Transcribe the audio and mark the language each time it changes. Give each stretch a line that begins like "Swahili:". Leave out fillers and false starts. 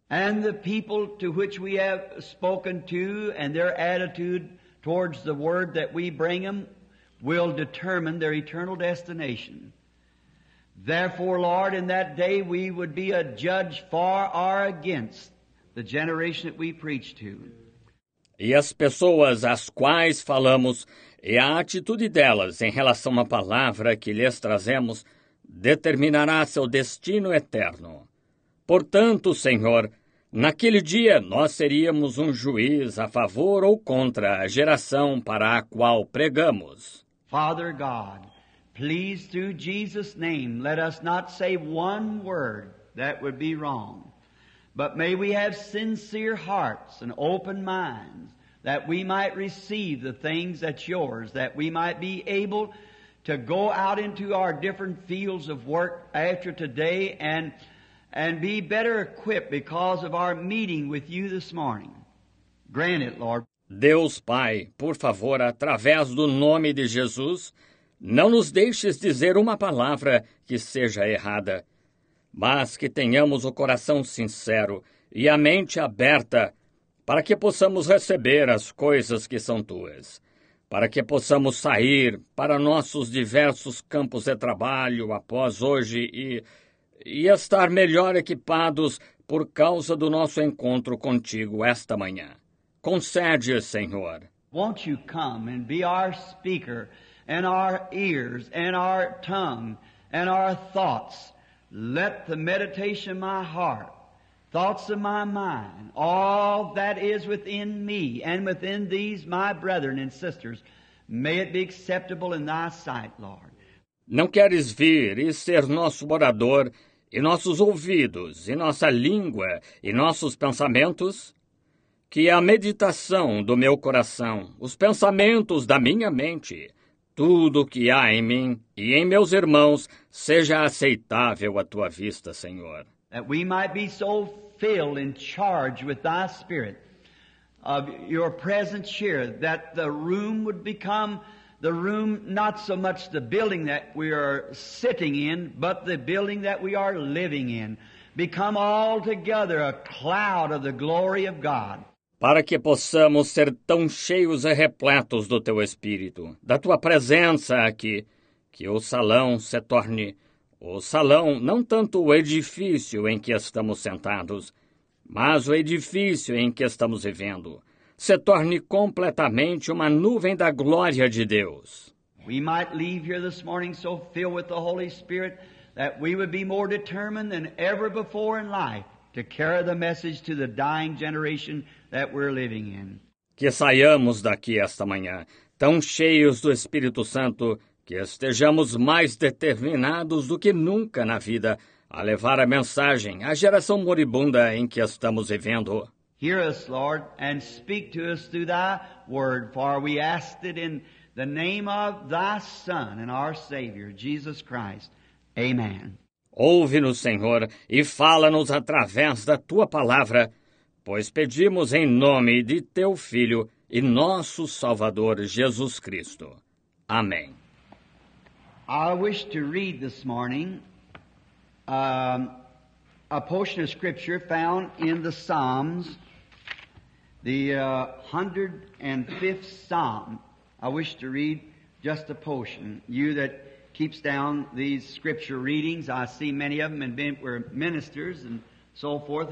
English: And the people to which we have spoken to and their attitude towards the word that we bring them will determine their eternal destination. Therefore, Lord, in that day we would be a judge for or against the generation that we preach to.
Portuguese: E as pessoas às quais falamos e a atitude delas em relação à palavra que lhes trazemos determinará seu destino eterno. Portanto, Senhor, naquele dia nós seríamos um juiz a favor ou contra a geração para a qual pregamos.
English: Father God, please, through Jesus' name, let us not say one word that would be wrong. But may we have sincere hearts and open minds that we might receive the things that's yours, that we might be able to go out into our different fields of work after today and be better equipped because of our meeting with you this morning. Grant it, Lord.
Portuguese: Deus Pai, por favor, através do nome de Jesus, não nos deixes dizer uma palavra que seja errada, mas que tenhamos o coração sincero e a mente aberta para que possamos receber as coisas que são tuas, para que possamos sair para nossos diversos campos de trabalho após hoje e estar melhor equipados por causa do nosso encontro contigo esta manhã. Concede, Senhor.
English: Won't you come and be our speaker and our ears and our tongue and our thoughts? Let the meditation of my heart, thoughts of my mind, all that is within me and within these my brethren and sisters, may it be acceptable in thy sight, Lord.
Portuguese: Não queres vir e ser nosso orador e nossos ouvidos e nossa língua e nossos pensamentos? Que a meditação do meu coração, os pensamentos da minha mente, tudo o que há em mim e em meus irmãos seja aceitável à tua vista, Senhor.
English: That we might be so filled and charged with thy spirit of your presence here, that the room would become the room, not so much the building that we are sitting in, but the building that we are living in, become altogether a cloud of the glory of God.
Portuguese: Para que possamos ser tão cheios e repletos do teu Espírito, da tua presença aqui, que o salão se torne o salão, não tanto o edifício em que estamos sentados, mas o edifício em que estamos vivendo, se torne completamente uma nuvem da glória de Deus.
English: We might leave here this morning so filled with the Holy Spirit that we would be more determined than ever before in life to carry the message to the dying generation that we're living in.
Portuguese: Que saiamos daqui esta manhã tão cheios do Espírito Santo que estejamos mais determinados do que nunca na vida a levar a mensagem à geração moribunda em que estamos vivendo.
English: Hear us, Lord, and speak to us through thy word, for we ask it in the name of thy Son and our Savior, Jesus Christ. Amen.
Portuguese: Ouve-nos, Senhor, e fala-nos através da tua palavra, pois pedimos em nome de teu Filho e nosso Salvador, Jesus Cristo. Amém.
English: I wish to read this morning a portion of Scripture found in the Psalms, the 105th Psalm. I wish to read just a portion. You that keeps down these Scripture readings, I see many of them, and we're ministers and so forth.